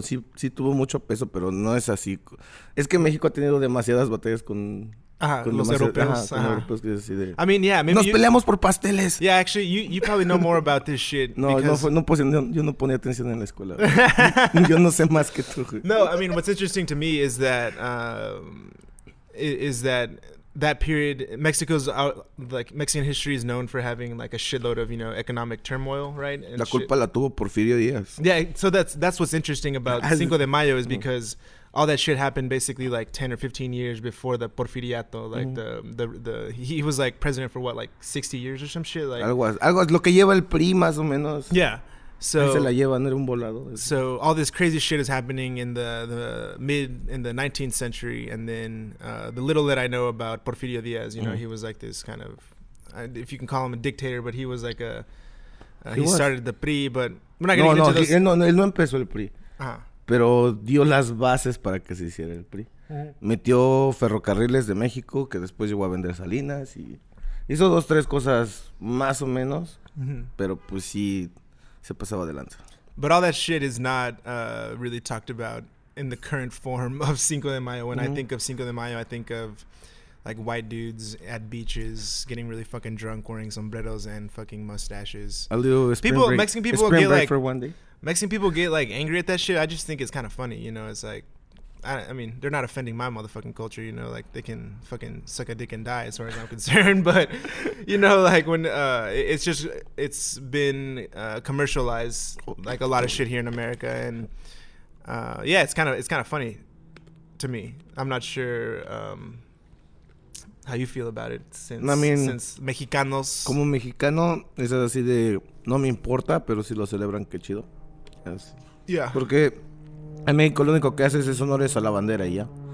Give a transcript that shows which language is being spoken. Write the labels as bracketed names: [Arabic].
[Spanish] Sí tuvo mucho peso, pero no es así. Es que México ha tenido demasiadas batallas con [English] Los europeos. I mean, yeah, maybe [Spanish] nos peleamos por pasteles. [English] Yeah, actually, you probably know more about this shit. [Spanish] No, yo no ponía atención en la escuela. Yo no sé más que tú. [English] No, I mean, what's interesting to me is that that period, Mexico's like Mexican history is known for having like a shitload of, you know, economic turmoil, right? [Spanish] And la culpa la tuvo Porfirio Díaz. [English] Yeah, so that's what's interesting about Cinco de Mayo is because all that shit happened basically like 10 or 15 years before the Porfiriato, like the he was like president for what, like 60 years or some shit, like [Spanish] algo lo que lleva el PRI más o menos. [English] Yeah. So [Spanish] se la lleva, no era un volado. [English] So all this crazy shit is happening in the 19th century, and then the little that I know about Porfirio Diaz, you know, he was like this kind of, if you can call him a dictator, but he was like a he started the PRI, but we're not going to get into those. [Spanish] No, él no empezó el PRI. Pero dio las bases para que se hiciera el PRI. Uh-huh. Metió ferrocarriles de México, que después llegó a vender Salinas. Y hizo dos, tres cosas más o menos, pero pues sí, se pasaba de lanza. [English] But all that shit is not really talked about in the current form of Cinco de Mayo. When I think of Cinco de Mayo, I think of like white dudes at beaches getting really fucking drunk, wearing sombreros and fucking mustaches. A little spring people, break. Mexican people will get like, for one day. Mexican people get like angry at that shit. I just think it's kind of funny, you know. It's like, I mean, they're not offending my motherfucking culture, you know. Like they can fucking suck a dick and die, as far as I'm concerned. But you know, like when it's been commercialized, like a lot of shit here in America, and yeah, it's kind of funny to me. I'm not sure how you feel about it since Mexicanos. [Spanish] Como mexicano, es así de no me importa, pero si lo celebran, qué chido. [English] Yeah. [Spanish] Porque en México lo único que haces es honores a la bandera y ya.